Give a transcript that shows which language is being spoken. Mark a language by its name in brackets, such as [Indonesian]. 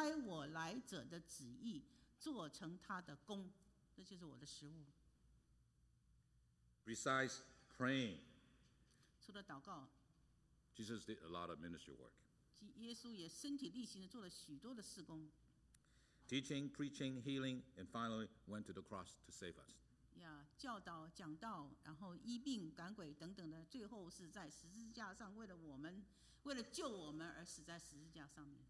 [Chinese] 我的食物就是遵行差我来者的旨意。做成他的工, 这就是我的食物。 [English] Besides praying, [Chinese] 除了祷告, [English] Jesus did a lot of ministry work. [Chinese] 耶稣也身体力行地做了许多的事工。 [English] Teaching, preaching, healing, and finally went to the cross to save us. [Chinese] Yeah, 教导, 讲道, 然后医病, 赶鬼, 等等的, 最后是在十字架上, 为了我们, 为了救我们而死在十字架上面。